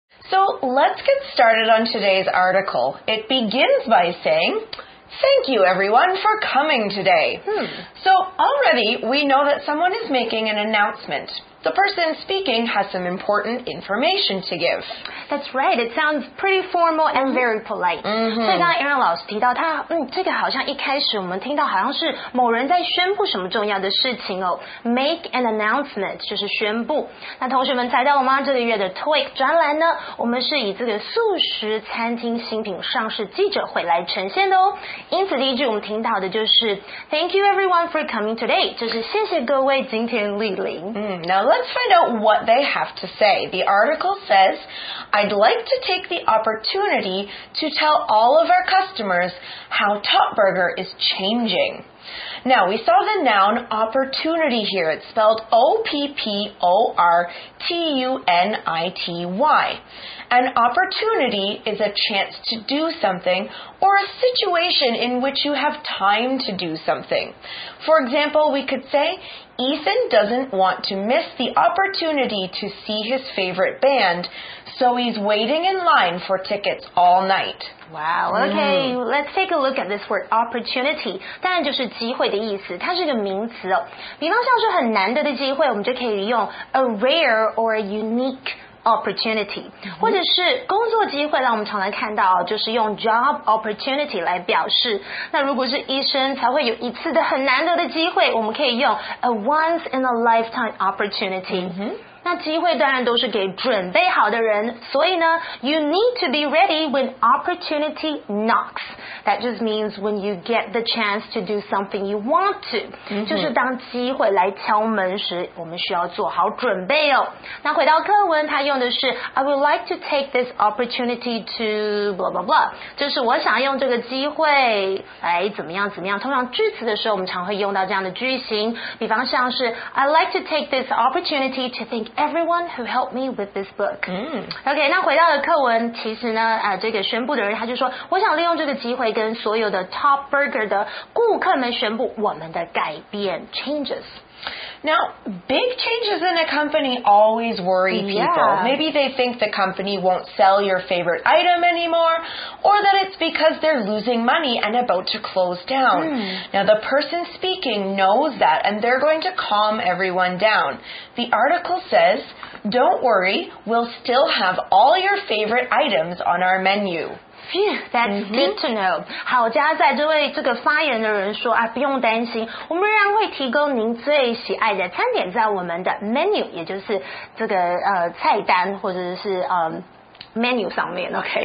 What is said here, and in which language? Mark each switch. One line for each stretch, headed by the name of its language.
English: So let's get started on today's article. It begins by saying, thank you everyone for coming today. So already we know that someone is making an announcement. The person speaking has some important information to give. That's right. It sounds pretty formal and very polite.
Chinese: 所以刚才Aaron老师提到，这个好像一开始我们听到好像是某人在宣布什么重要的事情哦。
English: Make an announcement
Chinese: 就是宣布。那同学们猜到了吗？这个月的TWIC专栏呢，我们是以这个素食餐厅新品上市记者会来呈现的哦。因此第一句我们听到的就是
English: Thank you everyone for coming today.
Chinese: 就是谢谢各位今天莅临。
English: Now let's find out what they have to say. The article says, I'd like to take the opportunity to tell all of our customers how Top Burger is changing. Now, we saw the noun opportunity here. It's spelled O-P-P-O-R-T-U-N-I-T-Y. An opportunity is a chance to do something or a situation in which you have time to do something. For example, we could say, Ethan doesn't want to miss the opportunity to see his favorite band, so he's waiting in line for tickets all night. Wow, okay, let's take a look at this word opportunity.
Chinese: 当然就是机会的意思，它是个名词哦。比方像是很难得的机会，我们就可以用
English: a rare or a unique opportunity,
Chinese: 或者是工作机会，让我们常常看到，就是用
English: job opportunity
Chinese: 来表示。那如果是医生才会有一次的很难得的机会，我们可以用
English: a once in a lifetime opportunity.
Chinese: 那机会当然都是给准备好的人，所以呢
English: you need to be ready when opportunity knocks. That just means when you get the chance to do something you want to.、Mm-hmm.
Chinese: 就是当机会来敲门时，我们需要做好准备哦。那回到课文，他用的是
English: I would like to take this opportunity to blah blah blah.
Chinese: 就是我想用这个机会来怎么样怎么样。通常句子的时候，我们常会用到这样的句型，比方像是
English: I'd like to take this opportunity to thank everyone who helped me with this book.、 Mm.
Chinese: OK, 那回到了课文，其实呢、这个宣布的人他就说，我想利用这个机会跟所有的 Top Burger 的顾客们宣布我们的改变 changes.
English: Now, big changes in a company always worry people.、 Yeah. Maybe they think the company won't sell your favorite item anymore, or that it's because they're losing money and about to close down.、 Mm. Now, the person speaking knows that, and they're going to calm everyone down. The article says, don't worry, we'll still have all your favorite items on our menu. Phew, that's、mm-hmm. good to know.
Chinese: 好家在这位这个发言的人说、啊、不用担心，我们仍然会提供您最喜爱的餐点在我们的 menu, 也就是这个、菜单或者是、menu 上面 OK、